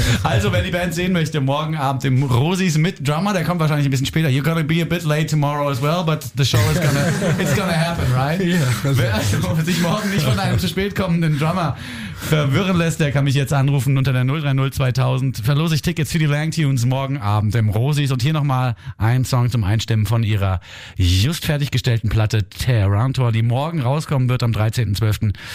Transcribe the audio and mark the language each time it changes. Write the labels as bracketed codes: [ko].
[de] Also, wenn die Band sehen möchte, morgen Abend im Rosis mit Drummer, der kommt wahrscheinlich ein bisschen später. [en] You're gonna be a bit late tomorrow as well, but the show is gonna happen, right? [de] Wer sich morgen nicht von einem zu spät kommenden Drummer verwirren lässt, der kann mich jetzt anrufen unter der 030-2000. Verlose ich Tickets für die Langtunes morgen Abend im Rosis. Und hier nochmal ein Song zum Einstimmen von ihrer just fertiggestellten Platte Tehran Tour, die morgen rauskommen wird am 13.12.